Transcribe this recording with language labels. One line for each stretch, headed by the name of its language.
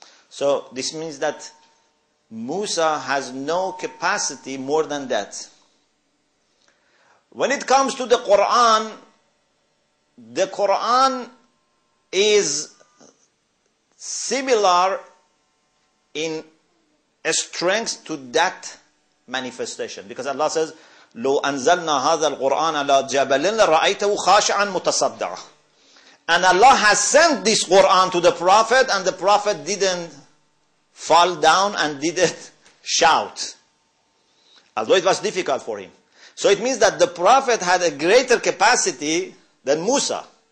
English: So this means that Musa has no capacity more than that. When it comes to the Quran is similar in strength to that manifestation. Because Allah says,
Arabic: لو أنزلنا هذا القرآن على جبلٍ لرأيته خاشعًا متصدع.
English: And Allah has sent this Quran to the Prophet, and the Prophet didn't fall down and didn't shout, although it was difficult for him. So it means that the Prophet had a greater capacity than Musa.